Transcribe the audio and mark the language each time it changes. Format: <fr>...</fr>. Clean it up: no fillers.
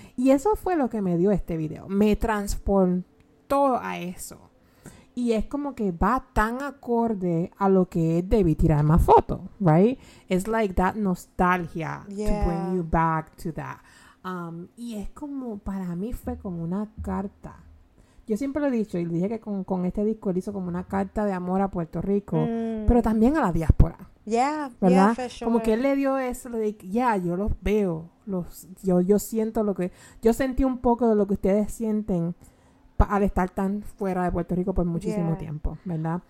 <es>Y eso fue lo que me dio este video. Me transportó a eso. Y es como que va tan acorde a lo que es de tirar más fotos, right?</es> <en>It's like that nostalgia to bring you back to that.</en> <es>Y es como, para mí fue como una carta. Yo siempre lo he dicho, y dije que con este disco él hizo como una carta de amor a Puerto Rico, pero también a la diáspora. ¿Verdad?</es> <en>Yeah, for sure.</en> <es>Como que él le dio eso, like, yo los veo, yo siento lo que, yo sentí un poco de lo que ustedes sienten al estar tan fuera de Puerto Rico por muchísimo tiempo, ¿verdad?</es>